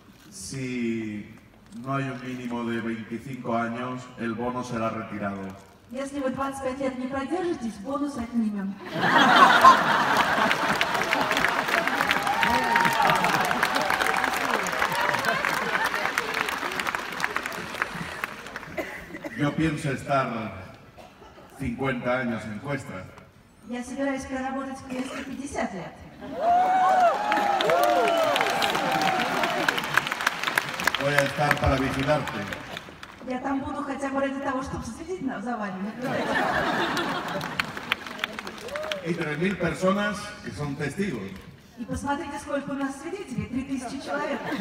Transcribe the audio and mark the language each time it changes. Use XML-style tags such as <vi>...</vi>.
<es>Si no hay un mínimo de 25 años, el bono será retirado.</es> <ru>Если вы 25 лет не продержитесь, бонус отнимем.</ru> <es>Yo pienso estar 50 años en cuesta.</es> <ru>Я собираюсь проработать в кресле 50 лет.</ru> <es>Voy a estar para vigilarte.</es> <ru>Я там буду хотя бы ради того, чтобы следить за вами.</ru> <es>И 3000 personas que son testigos.</es> <ru>И посмотрите, сколько у нас свидетелей, 3000 человек.</ru>